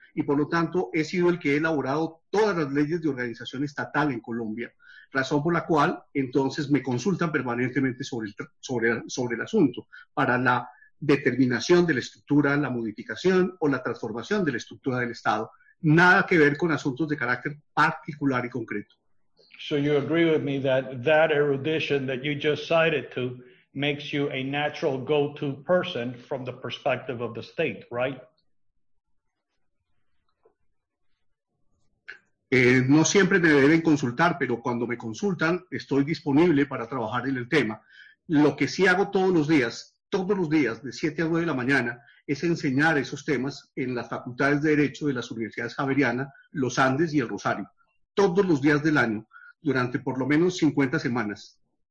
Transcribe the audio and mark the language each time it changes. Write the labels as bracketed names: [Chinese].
[Spanish] Y por lo tanto, he sido el que he elaborado todas las leyes de organización estatal en Colombia, razón por la cual entonces me consultan permanentemente sobre el asunto para la determinación de la estructura, la modificación o la transformación de la estructura del Estado. Nada que ver con asuntos de carácter particular y concreto. [English] So you agree with me that erudition that you just cited to makes you a natural go-to person from the perspective of the state, right? [Spanish] No siempre me deben consultar, pero cuando me consultan, estoy disponible para trabajar en el tema. Lo que sí hago todos los días, de 7 a 9 de la mañana, es enseñar esos temas en las facultades de Derecho de las Universidades Javeriana, Los Andes y El Rosario, todos los días del año, durante por lo menos 50 semanas.